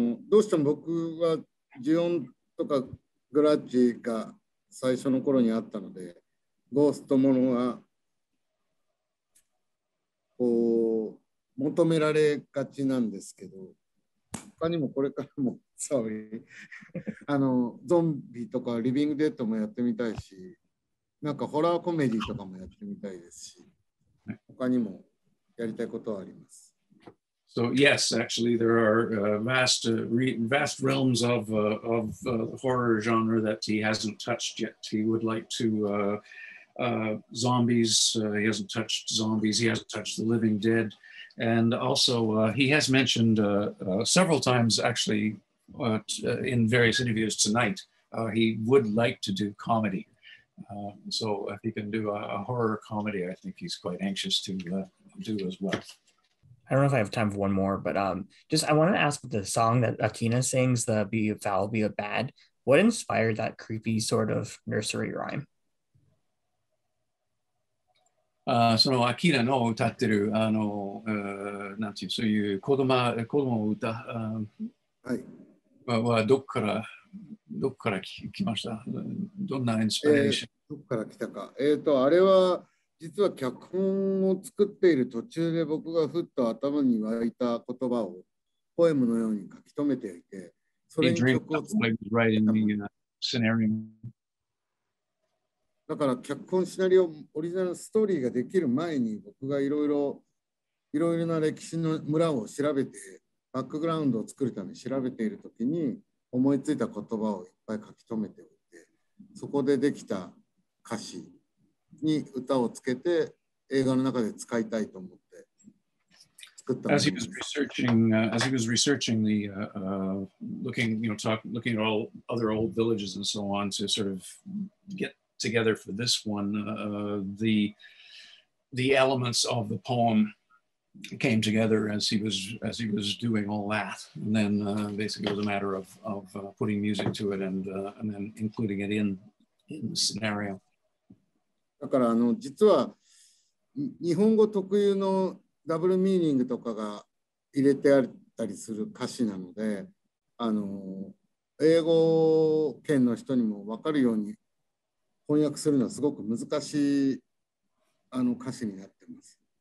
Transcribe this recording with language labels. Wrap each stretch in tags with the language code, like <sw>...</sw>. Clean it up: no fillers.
<ja>どうしても僕は、ジオンとかグラッジが最初の頃にあったので、ゴーストものは、こう求められがちなんですけど、他にもこれからも、ゾンビとかリビングデッドもやってみたいし、なんかホラーコメディとかもやってみたいですし、他にもやりたいことはあります。</ja> <en>So yes, actually, there are vast realms of horror genre that he hasn't touched yet. He would like to zombies. He hasn't touched zombies. He hasn't touched the living dead. And also, he has mentioned several times, actually, in various interviews tonight, he would like to do comedy. So if he can do a horror comedy, I think he's quite anxious to do as well. I don't know if I have time for one more, but just I want to ask the song that Akina sings, the Be a Foul, Be a Bad, what inspired that creepy sort of nursery rhyme?</en> <ja>その秋田の歌ってるあのなんていうそういう子供を歌はい、はどっから来ました、どんなインスピレーション、どっから来たか、あれは実は脚本を作っている途中で僕がふっと頭に湧いた言葉をポエムのように書き留めていて、それに曲を作っていたもの。シナリオだから脚本シナリオオリジナルストーリーができる前に僕がいろいろな歴史の村を調べてバックグラウンドを作るために調べているときに思いついた言葉をいっぱい書き留めておいて、そこでできた歌詞に歌をつけて映画の中で使いたいと思って作ったんです。</ja> <en>As he was researching the looking, you know, looking at all other old villages and so on to sort of getTogether for this one, the elements of the poem came together as he was doing all that, and then basically it was a matter of putting music to it and then including it in the scenario.</en> <ja>だから実は日本語特有のダブルミーニングとかが入れてあったりする歌詞なので、英語圏の人にも分かるように。翻訳するのはすごく難しいあの歌詞になってます。</ja>